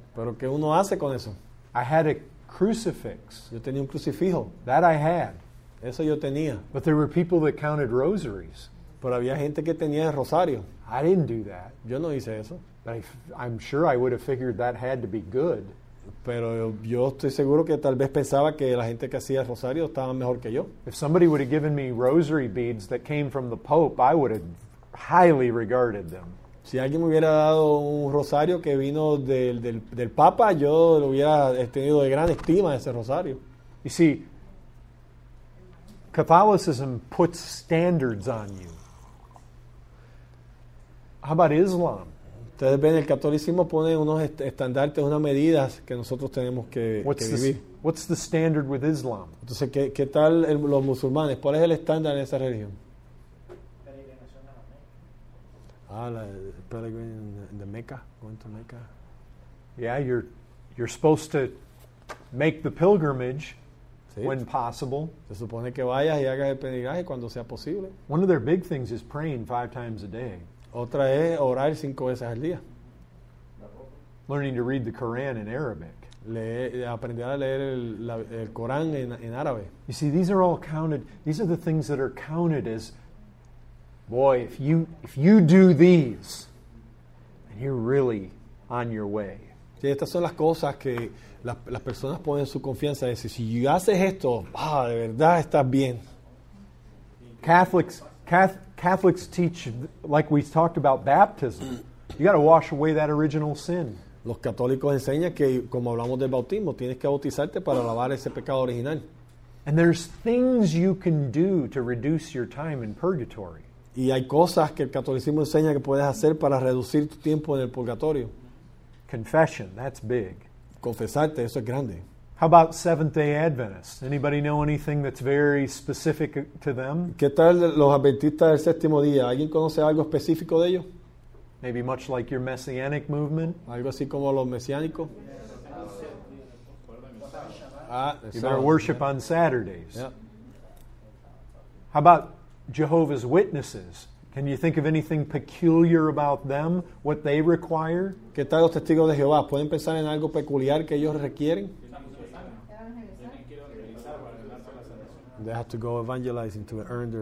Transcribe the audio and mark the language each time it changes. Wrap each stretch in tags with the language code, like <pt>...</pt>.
<es>¿Pero qué uno hace con eso?</es> <en>I had a crucifix.</en> <es>Yo tenía un crucifijo.</es> <en>That I had.</en> <es>Eso yo tenía.</es> <en>But there were people that counted rosaries.</en> <es>Pero había gente que tenía el rosario.</es> <en>I didn't do that.</en> <es>Yo no hice eso.</es> <en>But I'm sure I would have figured that had to be good.</en> <es>Pero yo estoy seguro que tal vez pensaba que la gente que hacía el rosario estaba mejor que yo.</es> <en>If somebody would have given me rosary beads that came from the Pope, I would have highly regarded them.</en> <es>Si alguien me hubiera dado un rosario que vino del Papa, yo lo hubiera tenido de gran estima ese rosario.</es> <en>You see, Catholicism puts standards on you. How about Islam?</en> <es>Ustedes ven, el catolicismo pone unos estandartes, unas medidas que nosotros tenemos que vivir.</es> <en>What's the standard with Islam?</en> <es>Entonces, ¿qué tal los musulmanes? ¿Cuál es el estándar en esa religión?</es> <en>Going to Mecca. Yeah, you're supposed to make the pilgrimage when possible.</en> <es>Se supone que vayas y hagas el peregrinaje cuando sea posible.</es> <en>One of their big things is praying 5 times a day.</en> <es>Otra es orar 5 veces al día.</es> <en>Learning to read the Quran in Arabic.</en> <es>Aprender a leer el Corán en árabe.</es> <en>You see, these are all counted. These are the things that are counted as, boy, if you do these, and you're really on your way.</en> <es>Sí, estas son las cosas que las personas ponen su confianza. Es decir, si tú haces esto, de verdad estás bien.</es> <en>Catholics teach, like we talked about baptism. You got to wash away that original sin.</en> <es>Los católicos enseñan que, como hablamos del bautismo, tienes que bautizarte para lavar ese pecado original.</es> <en>And there's things you can do to reduce your time in purgatory.</en> <es>Y hay cosas que el catolicismo enseña que puedes hacer para reducir tu tiempo en el purgatorio.</es> <en>Confession, that's big.</en> <es>Confesarte, eso es grande.</es> <en>How about Seventh-day Adventists? Anybody know anything that's very specific to them?</en> <es>¿Qué tal los adventistas del séptimo día? ¿Alguien conoce algo específico de ellos?</es> <en>Maybe much like your messianic movement.</en> <es>Algo así como los mesiánicos.</es> <en>You better worship on Saturdays. Yeah. How about Jehovah's Witnesses? Can you think of anything peculiar about them? What they require?</en> <es>¿Qué tal los testigos de Jehová? ¿Pueden pensar en algo peculiar que ellos requieren?</es> <en>They have to go evangelizing to earn their</en>